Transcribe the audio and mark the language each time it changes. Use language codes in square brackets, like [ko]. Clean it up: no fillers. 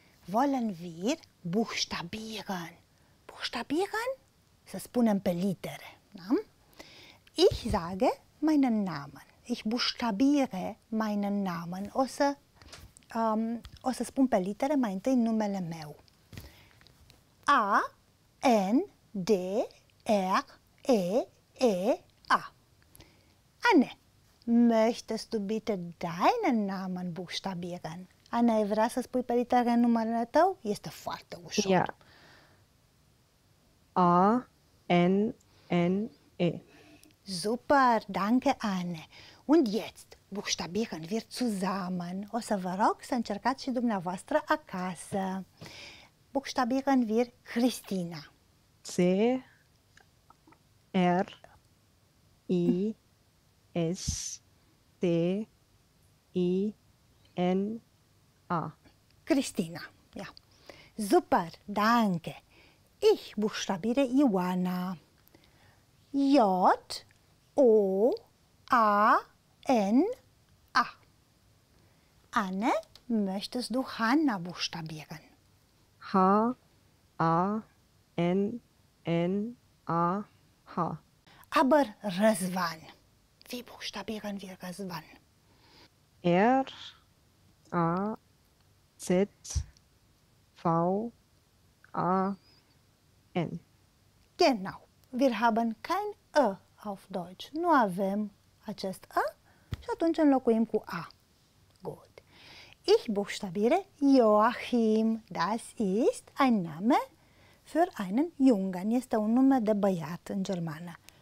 [de] Wollen wir buchstabieren? Buchstabieren? [ro] Să spunem pe litere. [de] Na? Ich sage meinen Namen. Ich buchstabiere meinen Namen. [ro] O să spun pe litere mai întâi numele meu. [de] A, N, D, R, E, E, A. Anne, möchtest du bitte deinen Namen buchstabieren? [ro] Anne, ai vrea să spui pe litere numărul tău? Este foarte ușor. [de] Ja. A, N, N, E. Super, danke, Anne. Und jetzt buchstabieren wir zusammen. [ro] O să vă rog să încercați și dumneavoastră acasă. [de] Buchstabieren wir Christina. C, R, I, S, T, I, N, A. Christina, ja. Super, danke. Ich buchstabiere Ioana. J, O, A, N, A. Anne, möchtest du Hanna buchstabieren? H, A, N, N, A, H. Aber Răzvan. Wie buchstabieren wir Răzvan? R, A, Z, V-A-N. Genau. Wir haben kein Ö auf Deutsch. [ro] Nu avem acest Ö și atunci înlocuim cu A. [en] Good. [de] Ich buchstabiere Joachim. Das ist ein Name für einen Jungen. [ro] Este un nume de băiat în germană.